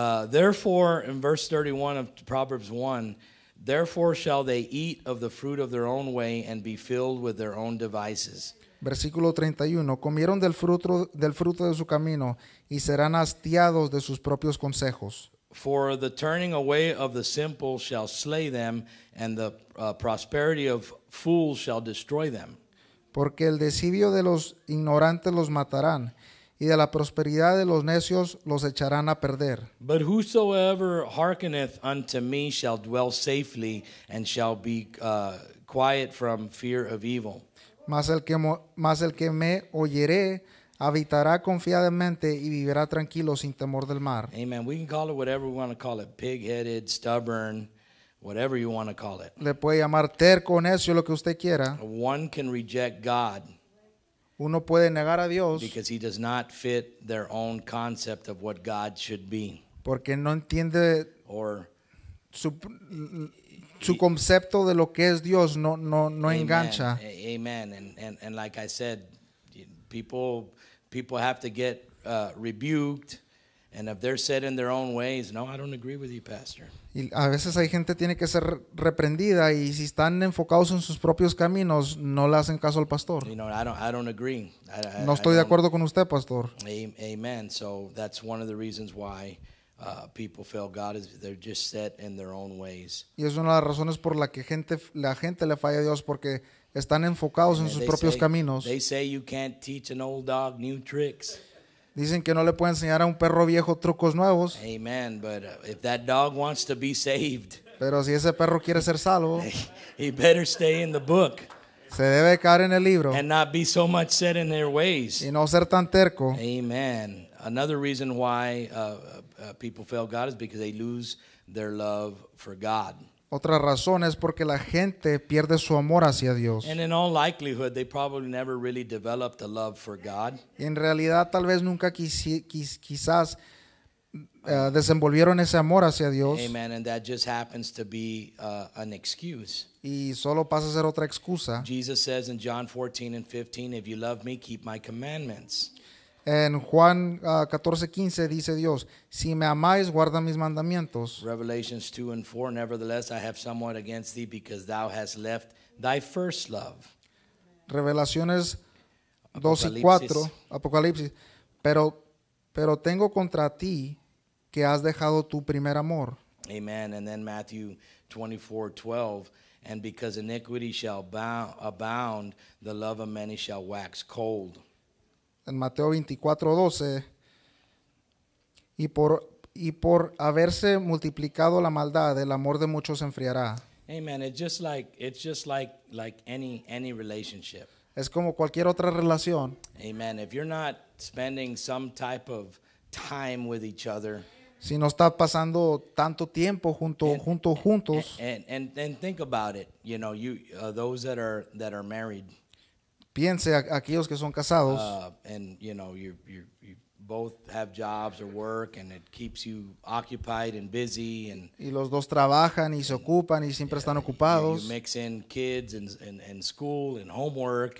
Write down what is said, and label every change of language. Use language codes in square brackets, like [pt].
[en] Therefore, in verse 31 of Proverbs 1, therefore shall they eat of the fruit of their own way and be filled with their own devices. [es] Versículo 31. Comieron del fruto de su camino y serán hastiados de sus propios consejos. [en] For the turning away of the simple shall slay them, and the prosperity of fools shall destroy them. [es] Porque el desvío de los ignorantes los matarán, y de la prosperidad de los necios los echarán a perder. [en] But whosoever hearkeneth unto me shall dwell safely, and shall be quiet from fear of evil. [es] Mas el que me oyere habitará confiadamente y vivirá tranquilo sin temor del mar. [en] Amen. We can call it whatever we want to call it, pig-headed, stubborn, whatever you want to call it. [es] Le puede llamar terco, necio, lo que usted quiera. [en] One can reject God. [es] Uno puede negar a Dios. [en] Because he does not fit their own concept of what God should be. [es] Porque no entiende. [en] Or [es] su concepto de lo que es Dios no engancha. [en] Amen. And like I said, people have to get rebuked. And if they're set in their own ways, no, I don't agree with you, pastor. [es] Y a veces hay gente tiene que ser reprendida, y si están enfocados en sus propios caminos, no le hacen caso al pastor. [en] You know, I don't agree. [es] No estoy de acuerdo con usted, pastor. [en] Amen. So that's one of the reasons why people fail God, is they're just set in their own ways. [es] Y es una de las razones por la que la gente le falla a Dios, porque están enfocados en sus propios caminos. [en] They say you can't teach an old dog new tricks. [es] Dicen que no le puede enseñar a un perro viejo trucos nuevos. [en] Amen, but if that dog wants to be saved. [es] Pero si ese perro quiere ser salvo. [en] He better stay in the book. [es] Se debe quedar en el libro. [en] And not be so much set in their ways. [es] Y no ser tan terco. [en] Amen. Another reason why people fail God is because they lose their love for God. [es] Otra razón es porque la gente pierde su amor hacia Dios. [en] And in all likelihood, they probably never really developed a love for God. [es] En realidad, tal vez nunca quizás desenvolvieron ese amor hacia Dios. [en] Amen. And that just happens to be an excuse. [es] Y solo pasa a ser otra excusa. [en] Jesus says in John 14 and 15, if you love me, keep my commandments. [es] En Juan 14:15 dice Dios, si me amáis, guarda mis mandamientos. [en] Revelations 2 and 4, nevertheless I have somewhat against thee, because thou hast left thy first love. [es] Revelaciones 2 y 4, Apocalipsis, pero tengo contra ti que has dejado tu primer amor. [en] Amen. And then Matthew 24:12, and because iniquity shall abound, the love of many shall wax cold. [es] En Mateo 24:12, y por haberse multiplicado la maldad, el amor de muchos se enfriará. [en] Amen. It's just like any relationship. [es] Es como cualquier otra relación. [en] Amen. If you're not spending some type of time with each other, [es] si no está pasando tanto tiempo juntos. [en] And think about it, you know, you those that are married. [es] Piense a aquellos que son casados. [en] And you know, you both have jobs or work, and it keeps you occupied and busy. And [es] y los dos trabajan y se ocupan y siempre están ocupados. [en] You mix in kids and school and homework.